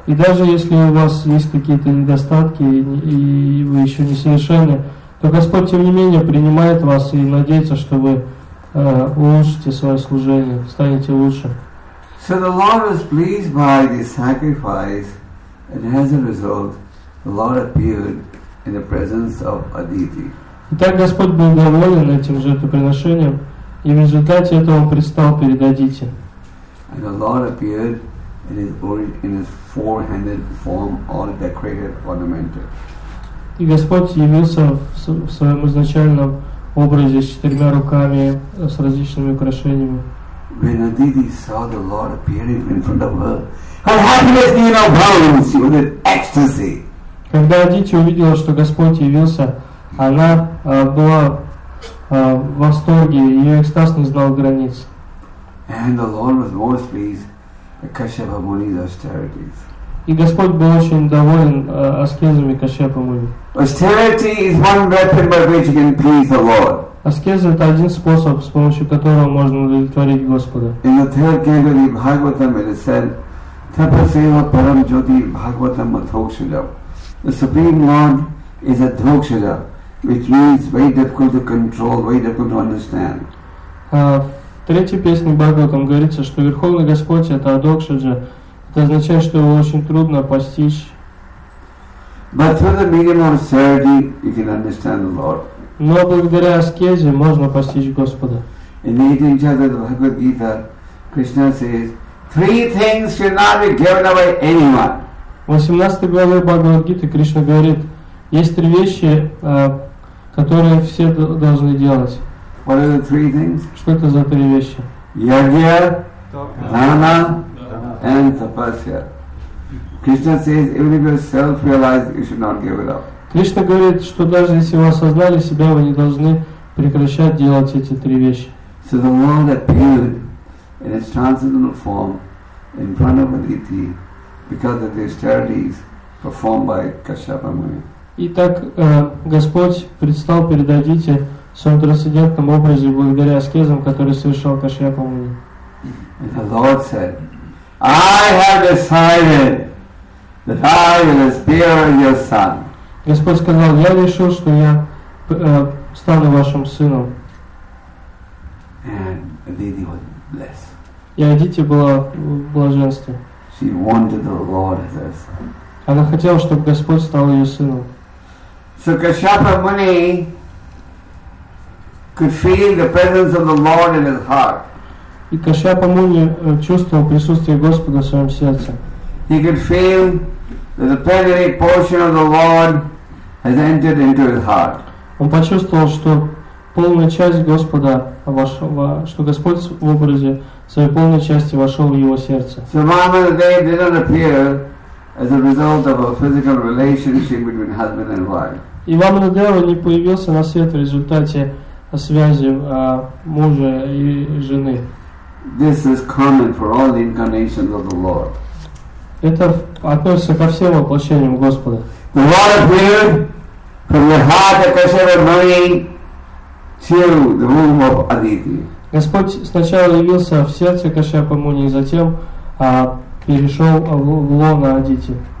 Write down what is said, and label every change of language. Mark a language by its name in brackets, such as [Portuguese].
[Russian] И даже если у вас есть какие-то недостатки и вы еще не совершенны, то Господь тем не менее принимает вас и надеется, что вы улучшите свое служение, станете лучше. [English] So the Lord was pleased by this sacrifice, and as a result, the Lord appeared in the presence of Aditi. [Russian] Итак, Господь был доволен этим жертвоприношением, и в результате этого предстал перед Адити. [English] And the Lord appeared in his four-handed form, all decorated, ornamented. [Russian] И Господь явился в своем изначальном образе с четырьмя руками, с различными украшениями. [English] When Aditi saw the Lord appearing in front of her, her happiness knew no bounds. She was in ecstasy. [Russian] Когда Адити увидела, что Господь явился, она была в восторге, ее экстаз не знал границ. [English] And the Lord was most pleased by Kashyapa Muni's austerities. [Russian] И Господь был очень доволен аскезами Кашьяпа Муни. [English] Austerity is one weapon by which you can please the Lord. [Russian] Аскеза – это один способ, с помощью которого можно удовлетворить Господа. [English] In the third canto of Bhagavatam, it is said, [Sanskrit] "Tapaseva param jyoti Bhagavatam adhokshaja." [English] The Supreme Lord is a dhokshaja, which means very difficult to control, very difficult to understand. [Russian] В третьей песне Бхагаватам говорится, что Верховный Господь – это адхокшаджа. Это означает, что его очень трудно постичь. [English] But through the medium of austerity, you can understand the Lord. [Russian] Но благодаря аскезе можно постичь Господа. [English] In the 18th chapter of the Bhagavad Gita, Krishna says, three things should not be given away anyone. [Russian] В 18 главе Бхагавад Гиты Кришна говорит, есть три вещи, которые все должны делать. [English] What are the three things? [Russian] Что это за три вещи? [English] Yajna, dana, and tapasya. Krishna says, even if you're self-realized, you should not give it up. [Russian] Кришна говорит, что даже если вы осознали себя, вы не должны прекращать делать эти три вещи. [English] So the Lord appeared in its transcendental form in front of Aditi because of the austerities performed by Kashyapa Muni. [Russian] Итак, Господь предстал перед Адити в своем трансцендентном образе благодаря аскезам, которые совершал Кашьяпа Муни. [English] And the Lord said, I have decided that I will appear as your son. [Russian] Господь сказал, я решил, что я стану вашим сыном. [English] And Aditi was blessed. [Russian] И Адити была в блаженстве. [English] She wanted the Lord as her son. [Russian] Она хотела, чтобы Господь стал ее сыном. [English] So Kashyapa Muni could feel the presence of the Lord in his heart. [Russian] И Кашьяпа Муни чувствовал присутствие Господа в своем сердце. [English] He could feel that the plenary portion of the Lord has entered into his heart. [Russian] Он почувствовал, что полная часть Господа вошла, что Господь в образе своей полной части вошел в его сердце. [English] So Mama today did not appear as a result of a physical relationship between husband and wife. [Russian] И Вамана Дева не появился на свет в результате связи мужа и жены. [English] This is common for all the incarnations of the Lord. [Russian] Это относится ко всем воплощениям Господа. [English] The Lord appeared from the heart of Kashyapa Muni to the womb of Aditi. [Russian] Господь сначала явился в сердце Кашьяпа Муни, затем перешел в лоно Адити.